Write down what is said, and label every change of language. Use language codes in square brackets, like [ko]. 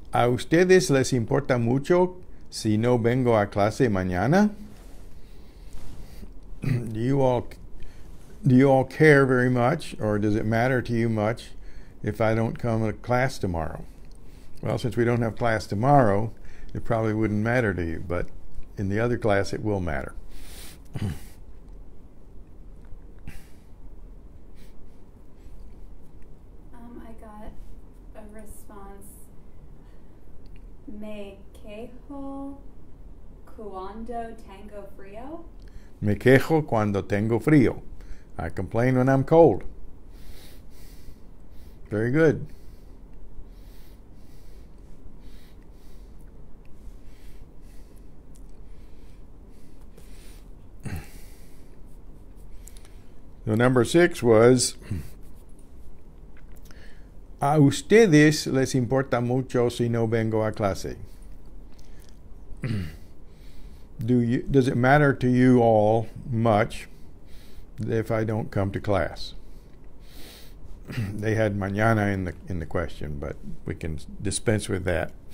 [es] ¿A ustedes les importa mucho si no vengo a clase mañana? [en] Do you all care very much, or does it matter to you much if I don't come to class tomorrow? Well, since we don't have class tomorrow, it probably wouldn't matter to you, but in the other class it will matter. I got a response. [es] Me quejo cuando tengo frío. Me quejo cuando tengo frío. [en] I complain when I'm cold. Very good. So number six was, [es] ¿A ustedes les importa mucho si no vengo a clase? [en] Does it matter to you all much if I don't come to class? They had mañana in the question, but we can dispense with that.